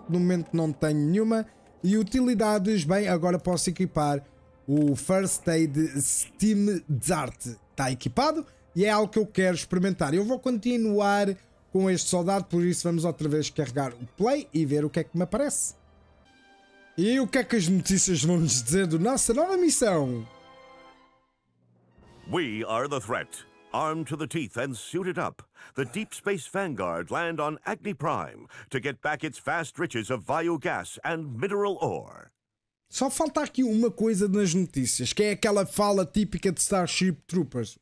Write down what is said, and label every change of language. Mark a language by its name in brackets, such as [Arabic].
[Portuguese] No momento não tenho nenhuma. E utilidades, bem, agora posso equipar o First Aid Steam Dart. Está equipado e é algo que eu quero experimentar. Eu vou continuar com este soldado, por isso vamos outra vez carregar o play e ver o que é que me aparece. E o que é que as notícias vão nos dizer da nossa nova missão? [English] We are the threat. Armed to the teeth and suited up, the Deep Space Vanguard land on Agni Prime to get back its vast riches of biogas and mineral ore. [Portuguese] Só falta aqui uma coisa nas notícias, que é aquela fala típica de Starship Troopers.